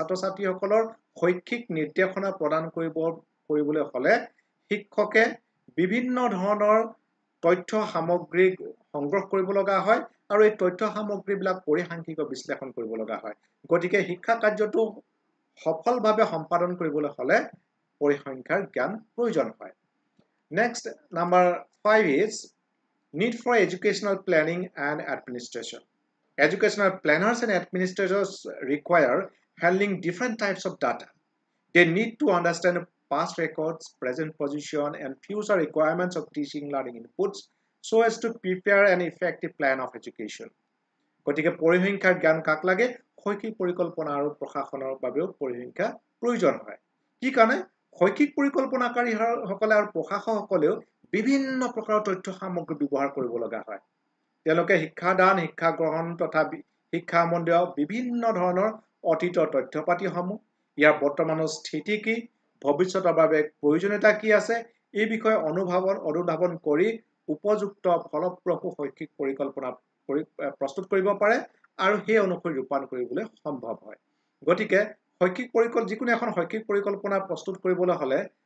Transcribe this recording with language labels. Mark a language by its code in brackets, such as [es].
[as] ছাত্ৰ ছাত্ৰীসকলৰ শৈক্ষিক নিৰ্দেশনা প্ৰদান কৰিবলৈ হ'লে শিক্ষকে বিভিন্ন ধৰণৰ তথ্য সামগ্ৰী সংগ্ৰহ কৰিব লগা হয় আৰু এই তথ্য সামগ্ৰীবিলাক পৰিসাংখ্যিক বিশ্লেষণ কৰিব লগা হয়। গতিকে শিক্ষা কাৰ্যটো সফলভাৱে সম্পাদন কৰিবলৈ হ'লে পৰিসংখ্যাৰ জ্ঞান প্ৰয়োজন হয়। [en] Next number 5 is need for educational planning and administration. Educational planners and administrators require handling different types of data. They need to understand past records, present position, and future requirements of teaching learning inputs so as to prepare an effective plan of education. [as] গতিকে পৰিসংখ্যা জ্ঞান কাক লাগে? শৈক্ষিক পৰিকল্পনা আৰু প্ৰশাসনৰ বাবেও পৰিসংখ্যা প্ৰয়োজন হয়। কি কাৰণে? শৈক্ষিক পৰিকল্পনাকাৰীসকলে আৰু প্ৰশাসকসকলেও বিভিন্ন প্ৰকাৰৰ তথ্য সামগ্ৰী ব্যৱহাৰ কৰিব লগা হয়। তেওঁলোকে শিক্ষাদান, শিক্ষা গ্ৰহণ তথা শিক্ষা সম্বন্ধীয় বিভিন্ন ধৰণৰ অতীতৰ তথ্য পাতিসমূহ, ইয়াৰ বৰ্তমানৰ স্থিতি কি, ভৱিষ্যতৰ বাবে প্ৰয়োজনীয়তা কি আছে, এই বিষয়ে অনুধাৱন কৰি উপযুক্ত ফলপ্ৰসূ শৈক্ষিক পৰিকল্পনা প্ৰস্তুত কৰিব পাৰে আৰু সেই অনুসৰি ৰূপায়ণ কৰিবলৈ সম্ভৱ হয়। গতিকে শৈক্ষিক যিকোনো এখন শৈক্ষিক পৰিকল্পনা প্ৰস্তুত কৰিবলৈ হ'লে